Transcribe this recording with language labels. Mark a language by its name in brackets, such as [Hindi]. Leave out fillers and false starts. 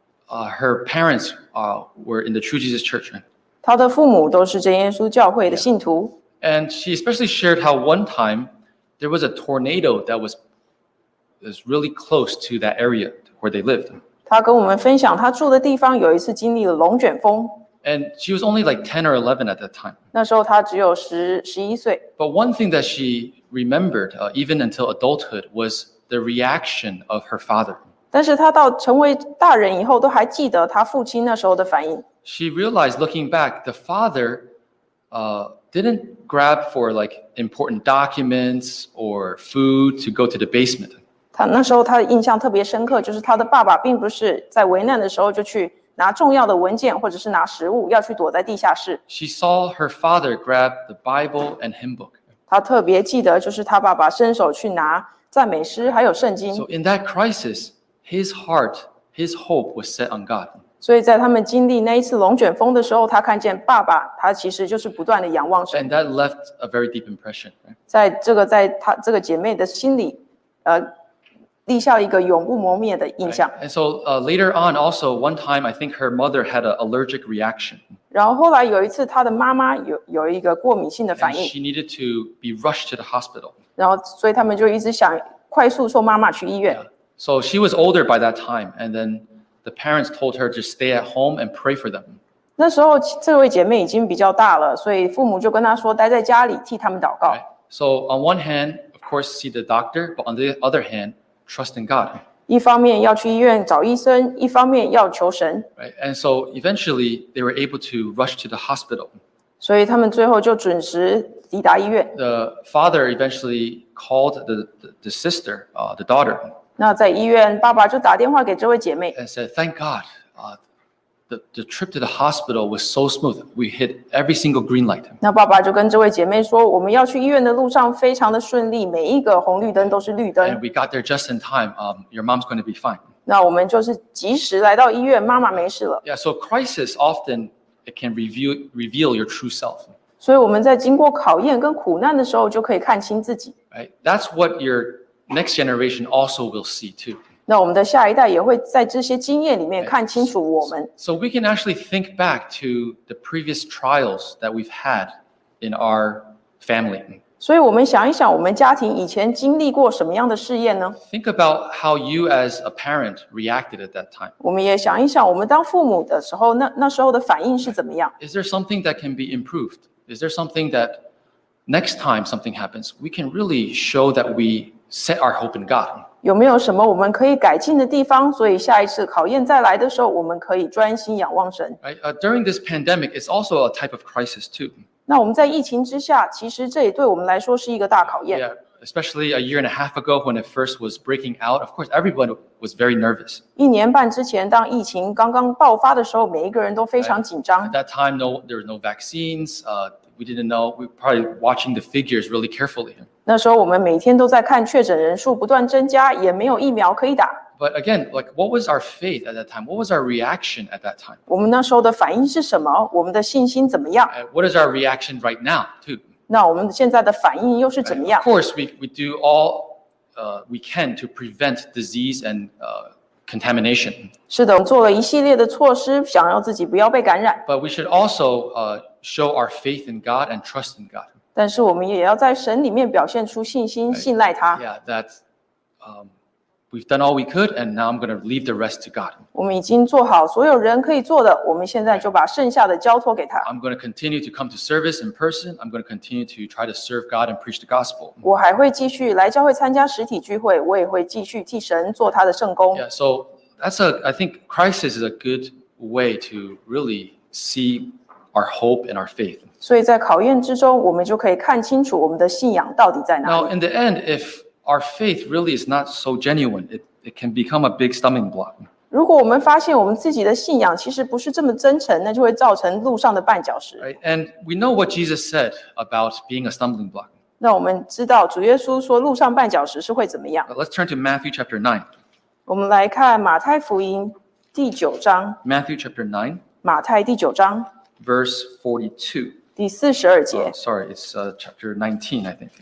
[English] Her parents were in the True Jesus Church. [Chinese] 她的父母都是真耶稣教会的信徒。 [English] Yeah. And she especially shared how one time there was a tornado that was really close to that area where they lived. [Chinese] 她跟我们分享，她住的地方有一次经历了龙卷风。 [English] And she was only like 10 or 11 at that time. [Chinese] 那时候她只有11岁。 [English] But one thing that she remembered, even until adulthood, was the reaction of her father. [Chinese] 但是她到成为大人以后，都还记得她父亲那时候的反应。 [English] She realized, looking back, the father didn't grab for like important documents or food to go to the basement. [Chinese] 她那时候她的印象特别深刻，就是她的爸爸并不是在危难的时候就去。拿重要的文件或者是拿食物要去躲在地下室。 [English] She saw her father grab the Bible and hymn book. [Chinese] 她特别记得就是她爸爸伸手去拿赞美诗还有圣经。 [English] So in that crisis, his heart, his hope was set on God. [Chinese] 所以在他们经历那一次龙卷风的时候，他看见爸爸，他其实就是不断的仰望神。 [English] And that left a very deep impression. [Chinese] 在她这个姐妹的心里，立下一个永不磨灭的印象。 [English] And so later on, also one time, I think her mother had an allergic reaction. [Chinese] 然后后来有一次，她的妈妈有一个过敏性的反应。 [English] And she needed to be rushed to the hospital. [Chinese] 然后所以他们就一直想快速送妈妈去医院。 [English] Yeah. So she was older by that time, and then the parents told her to stay at home and pray for them. [Chinese] 那时候这位姐妹已经比较大了，所以父母就跟她说待在家里替他们祷告。 [English] So on one hand, of course, see the doctor, but on the other hand,Trust in God. [Chinese] 一方面要去医院找医生，一方面要求神。 [English] Right, and so eventually they were able to rush to the hospital. [Chinese] 所以他们最后就准时抵达医院。 [English] The father eventually called the sister, the daughter. [Chinese] 那在医院，爸爸就打电话给这位姐妹。 [English] And said, "Thank God, the trip to the hospital was so smooth. We hit every single green light." [Chinese] 那爸爸就跟这位姐妹说，我们要去医院的路上非常的顺利，每一个红绿灯都是绿灯。 [English] And we got there just in time. Your mom's going to be fine. [Chinese] 那我们就是及时来到医院，妈妈没事了。 [English] Yeah. So crisis often it can reveal your true self. [Chinese] 所以我们在经过考验跟苦难的时候，就可以看清自己。 [English] Right. That's what your next generation also will see too. [Chinese] 那我们的下一代也会在这些经验里面看清楚我们。 [English] So we can actually think back to the previous trials that we've had in our family. [Chinese] 所以我们想一想，我们家庭以前经历过什么样的试验呢？ [English] Think about how you as a parent reacted at that time. [Chinese] 我们也想一想，我们当父母的时候，那时候的反应是怎么样？ [English] Is there something that can be improved? Is there something that next time something happens, we can really show that we set our hope in God? [Chinese] 有没有什么我们可以改进的地方？所以下一次考验再来的时候，我们可以专心仰望神。 [English] Right, during this pandemic, it's also a type of crisis too. [Chinese] 那我们在疫情之下，其实这也对我们来说是一个大考验。 [English] Yeah, especially a year and a half ago when it first was breaking out, of course, everyone was very nervous. [Chinese] 一年半之前，当疫情刚刚爆发的时候，每一个人都非常紧张。 [English] At that time, there were no vaccines. We didn't know. We were probably watching the figures really carefully. [Chinese] 那时候我们每天都在看确诊人数不断增加，也没有疫苗可以打。 [English] But again, like, what was our faith at that time? What was our reaction at that time? [Chinese] 我们那时候的反应是什么？我们的信心怎么样？ [English] What is our reaction right now, too? [Chinese] 那我们现在的反应又是怎么样？ [English] Of course, we do all we can to prevent disease and contamination. [Chinese] 是的，我们做了一系列的措施，想要自己不要被感染。 [English] But we should also show our faith in God and trust in God. [Chinese] 但是我们也要在神里面表现出信心，信赖他。 [English] Yeah, that's we've done all we could, and now I'm going to leave the rest to God. [Chinese] 我们已经做好所有人可以做的，我们现在就把剩下的交托给他。 [English] I'm going to continue to come to service in person. I'm going to continue to try to serve God and preach the gospel. [Chinese] 我还会继续来教会参加实体聚会，我也会继续替神做他的圣工。 [English] Yeah, so I think crisis is a good way to really see our hope and our faith. [Chinese] 所以在考验之中，我们就可以看清楚我们的信仰到底在哪里。 [English] Now, in the end, if our faith really is not so genuine, it can become a big stumbling block. [Chinese] 如果我们发现我们自己的信仰其实不是这么真诚，那就会造成路上的绊脚石。 [English] Right, and we know what Jesus said about being a stumbling block. [Chinese] 那我们知道主耶稣说路上绊脚石是会怎么样。 [English] Let's turn to Matthew chapter 9. [Chinese] 我们来看马太福音第九章。 [English] Matthew chapter 9. [Chinese] 马太第九章。 [English] Verse 42. [Chinese] 第四十二节。 [English] Oh, sorry, it's chapter 19, I think.